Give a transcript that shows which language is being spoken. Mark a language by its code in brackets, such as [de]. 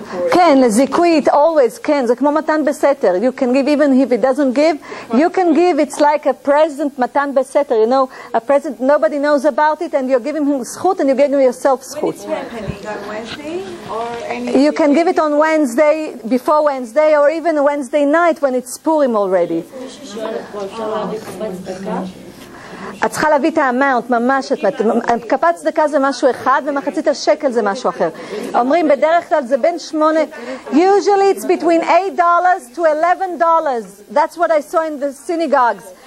[he] כן, לזיכוי, [en] it always, [he] כן, זה כמו מתן בסתר. [en] You can give even if he doesn't give. You can give, it's like a present, מתן בסתר, you know, a present, nobody knows about it, and you're giving him זכות, and you're giving yourself זכות. When it's happening, on Wednesday, or any... You can give it on Wednesday, before Wednesday, or even Wednesday night, when it's Purim already. [he] את צריכה להביא את האמאונט, ממש, כפת צדקה זה משהו אחד ומחצית השקל זה משהו אחר. אומרים בדרך כלל זה בין שמונה, [en] usually it's between $8 to $11. That's what I saw in the synagogues.